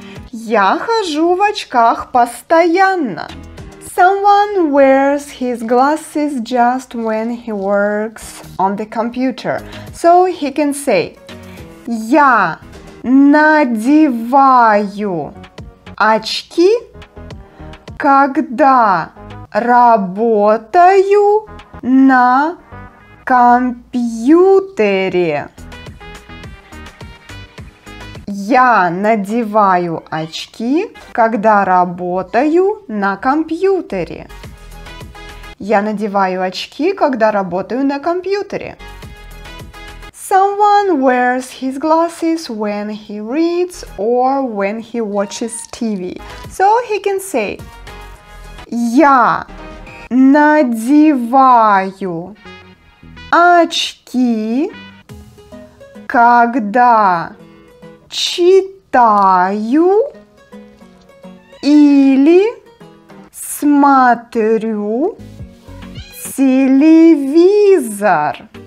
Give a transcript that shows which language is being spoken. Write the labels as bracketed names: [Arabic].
[Russian] Я хожу в очках постоянно. [English] Someone wears his glasses just when he works on the computer. So he can say, [Russian] я надеваю очки, когда работаю на компьютере. Я надеваю очки, когда работаю на компьютере. Я надеваю очки, когда работаю на компьютере. [English] Someone wears his glasses when he reads or when he watches TV. So he can say, [Russian] я надеваю очки, когда читаю или смотрю телевизор.